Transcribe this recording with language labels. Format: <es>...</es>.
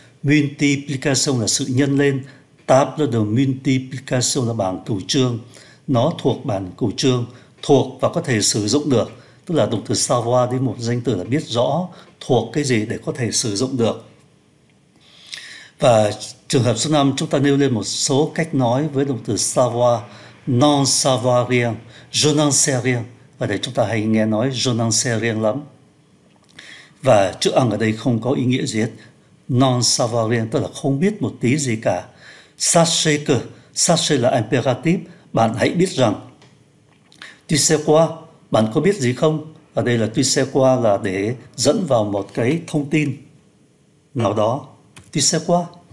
<vi>Multiplication là sự nhân lên. Table de multiplication là bảng cửu trương. Nó thuộc bảng cửu trương, thuộc và có thể sử dụng được. Tức là động từ savoir đến một danh từ là biết rõ, thuộc cái gì để có thể sử dụng được. Và trường hợp số 5, chúng ta nêu lên một số cách nói với động từ savoir.</vi> <fr>Non savoir rien, je n'en sais rien.</fr> <vi>Và đây chúng ta hay nghe nói</vi> <fr>je n'en sais rien</fr> <vi>lắm. Và chữ ăn ở đây không có ý nghĩa gì hết.</vi> <fr>Non savoir rien,</fr> <vi>tức là không biết một tí gì cả. Sachez que, sachez là imperatif, bạn hãy biết rằng. Tu sais quoi, bạn có biết gì không? Ở đây là</vi> <fr>tu sais quoi</fr> <vi>là để dẫn vào một cái thông tin nào đó.</vi> <fr>Tu sais quoi?</fr>